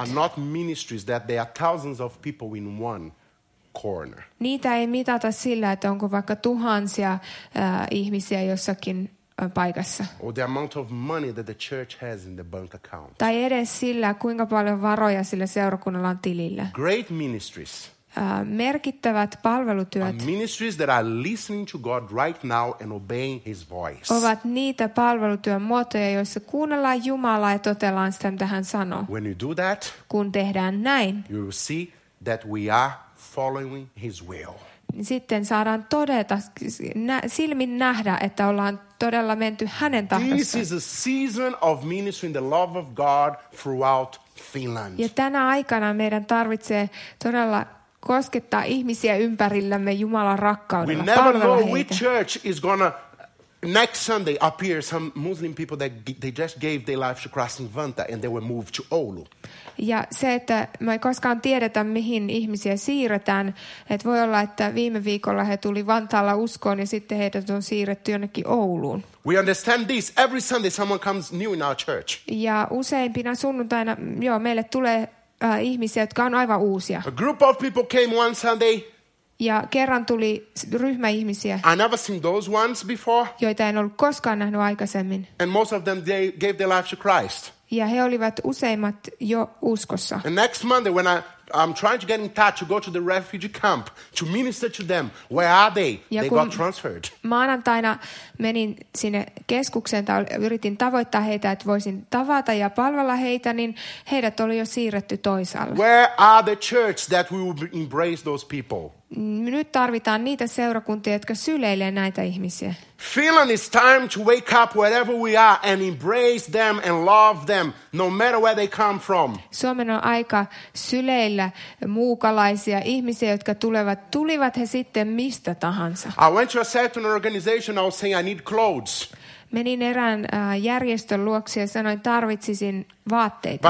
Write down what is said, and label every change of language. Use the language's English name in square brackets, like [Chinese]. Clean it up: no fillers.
[English] Are not ministries that there are thousands of people in one corner. [Finnish] Niitä ei mitata sillä, että onko vaikka tuhansia ihmisiä jossakin paikassa. [English] Or the amount of money that the church has in the bank account. [Finnish] Tai edes sillä, kuinka paljon varoja sillä seurakunnalla on tilillä. [English] Great ministries. [Finnish] Merkittävät palvelutyöt. [English] Are ministries that are listening to God right now and obeying His voice. [Finnish] Ovat niitä palvelutyön muotoja, joissa kuunnellaan Jumalaa ja totellaan sitä, mitä hän sanoo. [English] When you do that, [Finnish] kun tehdään näin, [English] you will see that we are following His will. [Finnish] Sitten saadaan todeta, silmin nähdä, että ollaan todella menty hänen tahdossaan. [English] This is a season of ministering the love of God throughout Finland. [Finnish] Ja tänä aikana meidän tarvitsee todella koskettaa ihmisiä ympärillämme Jumalan rakkaudella. [English] We never know which church is gonna next Sunday appear some Muslim people that they just gave their life to Christ in Vanta and they were moved to Oulu. [Finnish] Ja se, että me ei koskaan tiedetä, mihin ihmisiä siirretään. Että voi olla, että viime viikolla he tuli Vantaalla uskoon ja sitten heidät on siirretty jonnekin Ouluun. [English] We understand this. Every Sunday someone comes new in our church. [Finnish] Ja useimpina sunnuntaina, joo, meille tulee ihmisiä, jotka on aivan uusia. [English] A group of people came one Sunday. [Finnish] Ja kerran tuli ryhmä ihmisiä, [English] I never seen those ones before. [Finnish] Joita en ollut koskaan nähnyt aikaisemmin. [English] And most of them, they gave their life to Christ. [Finnish] Ja he olivat useimmat jo uskossa. [English] And next Monday, when I'm trying to get in touch to go to the refugee camp to minister to them, where are they? [Finnish] Ja [English] they got transferred. [Finnish] Maanantaina menin sinne keskukseen tai yritin tavoittaa heitä, että voisin tavata ja palvella heitä, niin heidät oli jo siirretty toisaalle. [English] Where are the church that we will embrace those people? [Finnish] Nyt tarvitaan niitä seurakuntia, jotka syleilee näitä ihmisiä. [English] Finland is time to wake up wherever we are and embrace them and love them, no matter where they come from. [Finnish] Suomen on aika syleillä muukalaisia ihmisiä, jotka tulivat he sitten mistä tahansa. [English] I went to a certain organization, I was saying I need clothes. [Finnish] Menin erään järjestön luoksi ja sanoin, tarvitsisin vaatteita.